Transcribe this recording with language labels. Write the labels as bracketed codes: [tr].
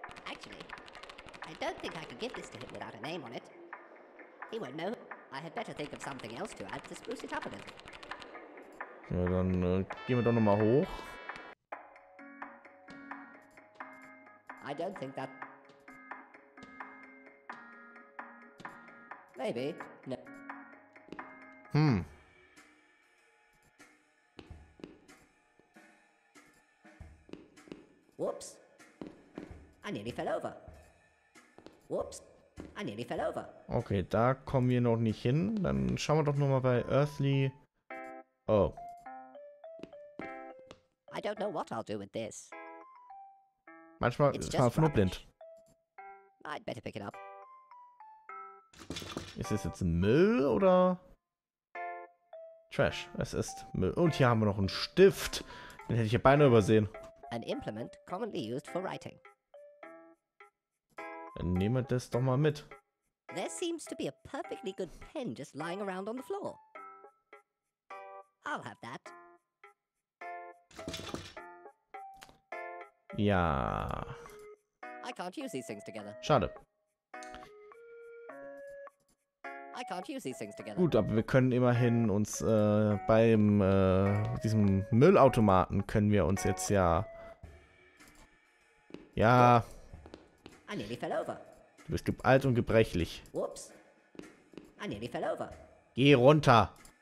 [en] Actually, I don't think I could give this to him without a name on it. He won't know. I had better think of something else to add to spruce it up a little. [de] Ja, dann gehen wir doch nochmal hoch. [en] I don't think that... Maybe. No. Hm. Whoops. I nearly fell over. Whoops. I nearly fell over. [de] Okay, da kommen wir noch nicht hin. Dann schauen wir doch nur mal bei Earthly. [en] Oh. I don't know what I'll do with this. [de] Manchmal ist man nur blind. [en] I'd better pick it up. [de] Ist es jetzt Müll oder Trash? Es ist Müll. Und hier haben wir noch einen Stift. Den hätte ich ja beinahe übersehen. [en] An implement commonly used for writing. [de] Dann nehmen wir das doch mal mit. [en] There seems to be a perfectly good pen just lying around on the floor. I'll have that. [de] Ja. [en] I can't use these things together. [de] Schade. [en] I can't use these things together. [de] Gut, aber wir können immerhin uns beim diesem Müllautomaten können wir uns jetzt ja. Ja. [en] I nearly fell over. [de] Du bist alt und gebrechlich. [en] Whoops. I nearly fell over. [de] Geh runter.